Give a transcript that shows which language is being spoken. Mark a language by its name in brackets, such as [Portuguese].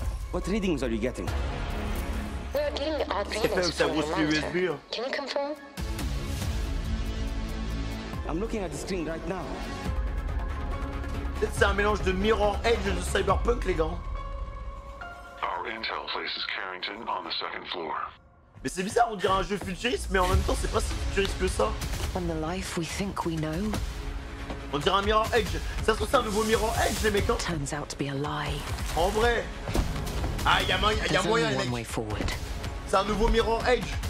[English] What readings are you getting? We're getting odd readings from the monitor. Can you confirm? I'm looking at the screen right now. [French] Peut-être c'est un mélange de Mirror Edge et de Cyberpunk, les gars. [English] Our intel places Carrington on the second floor. [French] Mais c'est bizarre, on dirait un jeu futuriste, mais en même temps, c'est pas si futuriste que ça. [English] On the life we think we know. [French] On dirait un Mirror Edge. Ça se trouve, c'est un nouveau Mirror Edge, les mecs. [English] Turns out to be a lie. [French] En vrai. Ah, y a moyen, les mecs. C'est un nouveau Mirror Edge.